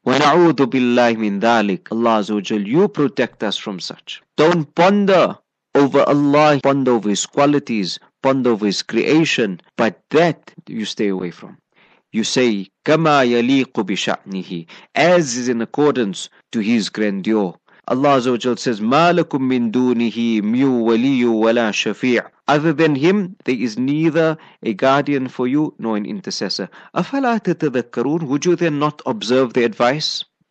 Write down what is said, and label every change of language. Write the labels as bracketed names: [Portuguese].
[Arabic] وَنَعُوذُ بِاللَّهِ مِنْ ذَلِكَ. [English] Allah Azza wa Jal, you protect us from such. Don't ponder over Allah, ponder over His qualities, ponder over His creation, but that you stay away from. You say, [Arabic] كَمَا يَلِيقُ بِشَأْنِهِ, [English] as is in accordance to His grandeur. [Arabic] Allah Azza wa Jal [English] says, [Arabic] مَا لَكُم مِّن دُونِهِ مِّن وَلِيُّ وَلَا شَفِيعٌ. [English] Other than Him, there is neither a guardian for you nor an intercessor. [Arabic] أَفَلَا تَتَذَكَّرُونَ. [English] Would you then not observe the advice?